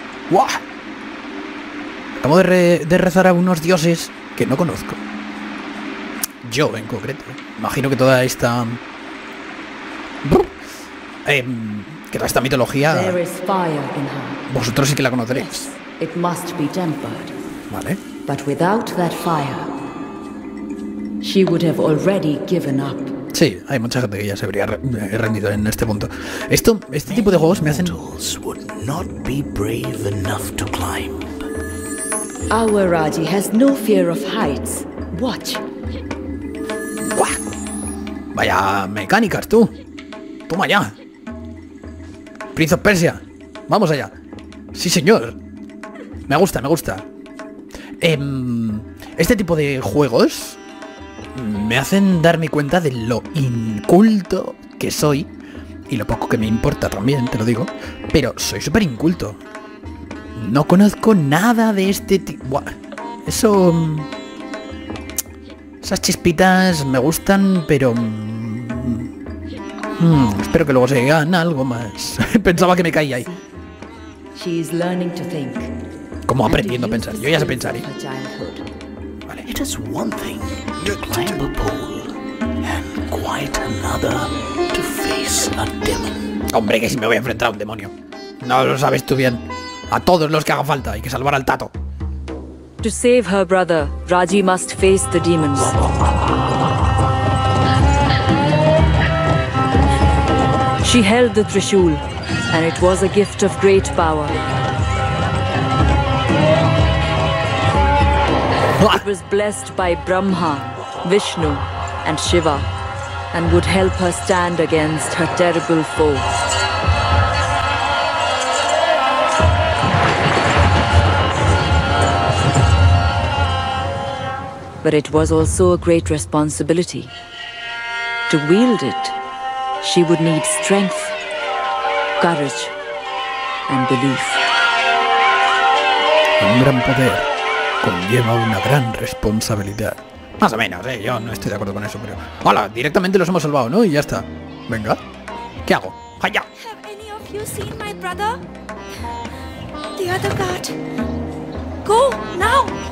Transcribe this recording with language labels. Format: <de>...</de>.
<es>¡Wah! Acabo de rezar a unos dioses que no conozco. Yo, en concreto. Imagino que toda esta... que toda esta mitología...</es> <en>There is fire in her.</en> <es>Vosotros sí que la conoceréis.</es> <en>Yes, it must be tempered.</en> <es>Vale.</es> <en>But without that fire, she would have already given up.</en> <es>Sí, hay mucha gente que ya se habría rendido en este punto. Esto, este tipo de juegos me hacen...</es> <en>Mortals would not be brave enough to climb. Our Raji has no fear of heights. Watch.</en> <es>¡Guau! Vaya mecánicas, tú. Toma ya. Prince of Persia. Vamos allá. Sí, señor. Me gusta, me gusta. Este tipo de juegos me hacen darme cuenta de lo inculto que soy. Y lo poco que me importa también, te lo digo. Pero soy súper inculto. No conozco nada de este tipo. Eso... Esas chispitas me gustan, pero... espero que luego se hagan algo más. Pensaba que me caía ahí.</es> <en>She's learning to think.</en> <es>Como aprendiendo a pensar. Yo ya sé pensar, ¿eh? Vale.</es> <en>It is one thing to climb a pole and quite another to face a demon.</en> <es>Hombre, que si me voy a enfrentar a un demonio. No lo sabes tú bien. A todos los que haga falta, hay que salvar al Tato.</es> <en>To save her brother, Raji must face the demons. She held the Trishul, and it was a gift of great power. It was blessed by Brahma, Vishnu, and Shiva, and would help her stand against her terrible foe. But it was also a great responsibility. To wield it, she would need strength, courage, and belief.</en> <es>Un gran poder conlleva una gran responsabilidad. Más o menos, ¿eh? Yo no estoy de acuerdo con eso, pero... ¡Hala! Directamente los hemos salvado, ¿no? Y ya está. Venga. ¿Qué hago? ¡Allá!</es> <en>¿Have any of you seen my brother? The other guard. ¡Go! ¡Now!</en>